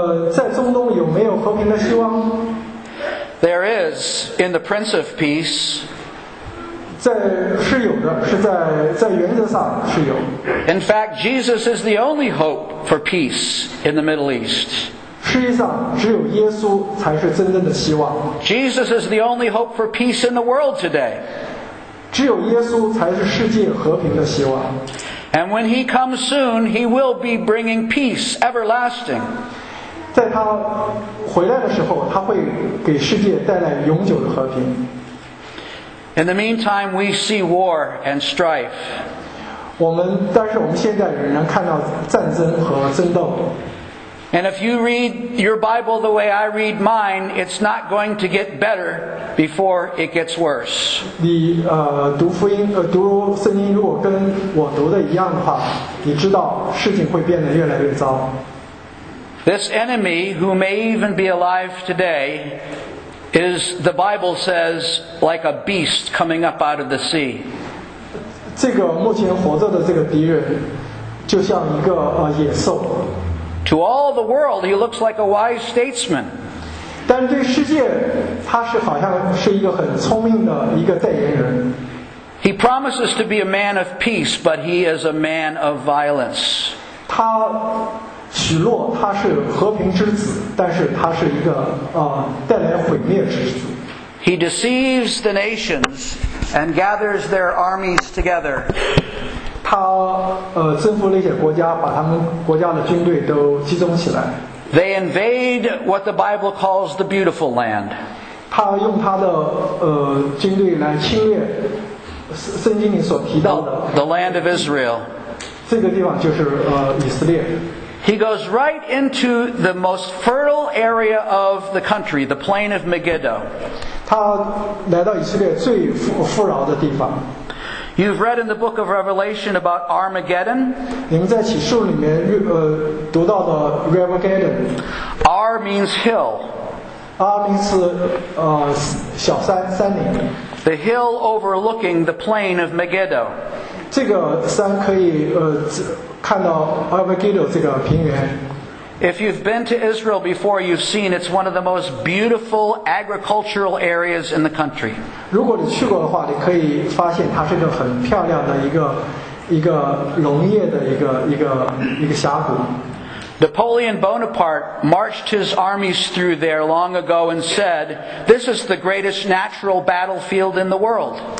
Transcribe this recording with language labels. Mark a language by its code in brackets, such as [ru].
[zh] 在中东有没有和平的希望？ [en] There is in the Prince of Peace. [zh] 是有的，是在原则上是有。 [en] In fact, Jesus is the only hope for peace in the Middle East. [zh] 实际上只有耶稣才是真正的希望。 [en] Jesus is the only hope for peace in the world today. [zh] 只有耶稣才是世界和平的希望。 [en] And when he comes soon, he will be bringing peace everlasting. [zh] 在他回来的时候，他会给世界带来永久的和平。 [en] In the meantime, we see war and strife. [zh] 但是我们现在仍然看到战争和争斗。 [en] And if you read your Bible the way I read mine, it's not going to get better before it gets worse. [zh] 你读福音读圣经，如果跟我读的一样的话，你知道事情会变得越来越糟。 [en] This enemy, who may even be alive today, is the Bible says like a beast coming up out of the sea. [zh] 这个目前活着的这个敌人，就像一个野兽。 [en] To all the world, he looks like a wise statesman. [zh] 但对世界，他是好像是一个很聪明的一个代言人。 [en] He promises to be a man of peace, but he is a man of violence. [zh] 他许诺他是和平之子，但是他是一个带来毁灭之子。 [en] He deceives the nations and gathers their armies together. [zh] 他征服了一些国家，把他们国家的军队都集中起来。 [en] They invade what the Bible calls the beautiful land. [zh] 他用他的军队来侵略圣经里所提到的 [en] the land of Israel. [zh] 这个地方就是以色列。 [en] He goes right into the most fertile area of the country, the plain of Megiddo. [zh] 他来到以色列最富饶的地方。 [en] You've read in the book of Revelation about Armageddon. [zh] 您在启示里面读到的 Armageddon. [en] R means hill. [zh] R 名词小山山岭。 [en] The hill overlooking the plain of Megiddo. [zh] 这个山可以看到 Armageddon 这个平原。 [en] If you've been to Israel before, you've seen it's one of the most beautiful agricultural areas in the country. [zh] 如果你去过的话，你可以发现它是一个很漂亮的一个农业的一个峡谷。 [en] Napoleon Bonaparte marched his armies through there long ago and said, "This is the greatest natural battlefield in the world."